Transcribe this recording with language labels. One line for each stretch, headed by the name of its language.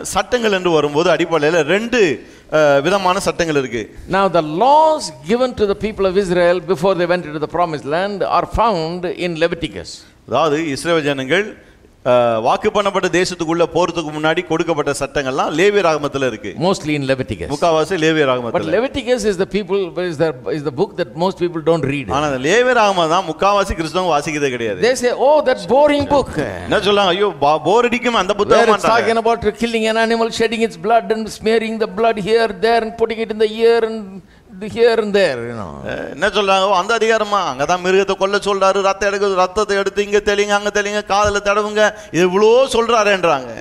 Tamil: சட்டங்கள் என்று வரும்போது அடிப்படை ரெண்டு விதமான சட்டங்கள் இருக்கு.
English: Now the laws given to the people of Israel before they went into the promised land are found in Leviticus.
Tamil: அதாவது இஸ்ரவேல் ஜனங்கள் வாக்கு பண்ணப்பட்ட தேசத்துக்குள்ள போறதுக்கு முன்னாடி கொடுக்கப்பட்ட சட்டங்கள் எல்லாம் லேவியர் ஆகமத்தில் இருக்கு.
English: Mostly in Leviticus.
Tamil: முக்கவாசி லேவியர் ஆகமத்தில்.
English: But Leviticus is the people is the book that most people don't read.
Tamil: ஆனா லேவியர் ஆகமதா முக்கவாசி கிறிஸ்தவங்க வாசிக்கிறதே கிடையாது.
English: They say oh that boring book.
Tamil: என்ன சொல்றாங்க, ஐயோ போர் அடிக்கும் அந்த புத்தகம் மாட்டாங்க.
English: They're talking about killing an animal, shedding its blood and smearing the blood here there and putting it in the ear and here and there, you know.
Tamil: என்ன சொல்றாங்க, அந்த அதிகாரமா அங்க தான் மிருகத்தை கொல்ல சொல்றாரு, ரத்தம் எடுக்க ரத்தத்தை எடுத்து இங்க தெளிங்க அங்க தெளிங்க காதல தடவுங்க இவ்வளவு சொல்றாருன்றாங்க.